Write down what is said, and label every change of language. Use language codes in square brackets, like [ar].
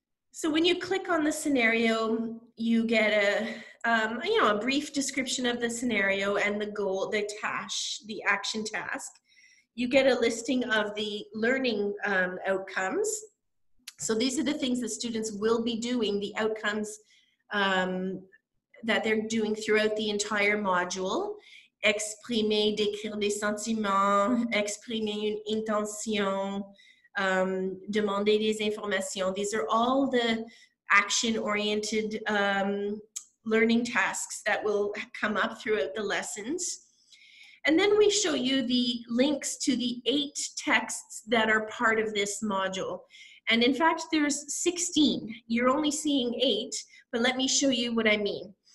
[en] So when you click on the scenario, you get a brief description of the scenario and the goal, the task, the action task. You get a listing of the learning outcomes. So these are the things that students will be doing, the outcomes that they're doing throughout the entire module. [fr] Exprimer, décrire des sentiments, exprimer une intention, demander des informations. [en] These are all the action-oriented learning tasks that will come up throughout the lessons. And then we show you the links to the 8 texts that are part of this module. And in fact, there's 16. You're only seeing 8, but let me show you what I mean.